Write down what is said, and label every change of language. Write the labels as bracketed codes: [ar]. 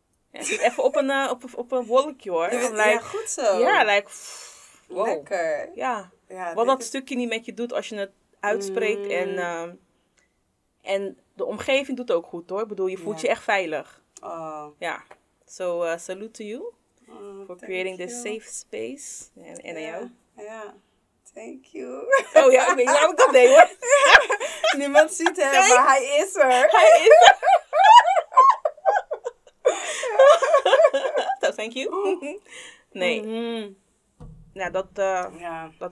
[nl] Even op een wolkje hoor. Goed zo. [en] Ja, like... Wow. [nl] Lekker. Ja. Wat dat stukje niet met je doet als je het uitspreekt. Mm. En de omgeving doet ook goed hoor. Ik bedoel, je voelt je echt veilig. Oh. [en] Ja. So, salute to you. For creating this safe space. [nl] En aan jou. [en] Ja. Thank you. [nl] Oh ja, ik weet niet waarom ik dat deed hoor. Niemand ziet hem, maar hij is er. Hij is er. [en] Thank you. [nl] Nee. Mm-hmm. Ja, dat